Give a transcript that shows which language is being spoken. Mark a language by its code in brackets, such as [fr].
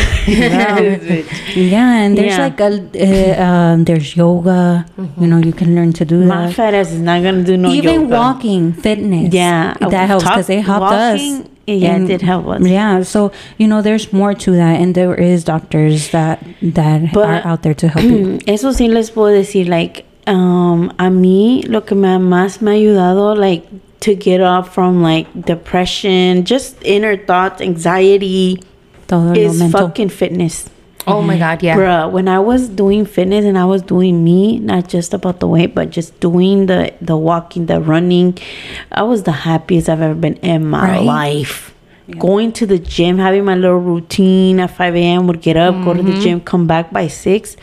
[en] there's yoga. Mm-hmm. You know, you can learn to do my My fat ass is not gonna do no even yoga. Even walking, fitness. Yeah, that helps because it helped us. Yeah, it did help us. Yeah, so, you know, there's more to that, and there is doctors that are out there to help you. [es] Eso sí les puedo decir, like, a mí lo que más me ha ayudado, like, [en] to get off from, like, depression, just inner thoughts, anxiety, [es] todo [en] is [es] lo mental. [en] Fucking fitness. Oh my God, yeah. Bruh, when I was doing fitness and I was doing me, not just about the weight, but just doing the walking, the running, I was the happiest I've ever been in my life. Yeah. Going to the gym, having my little routine at 5 a.m. would get up, go to the gym, come back by 6.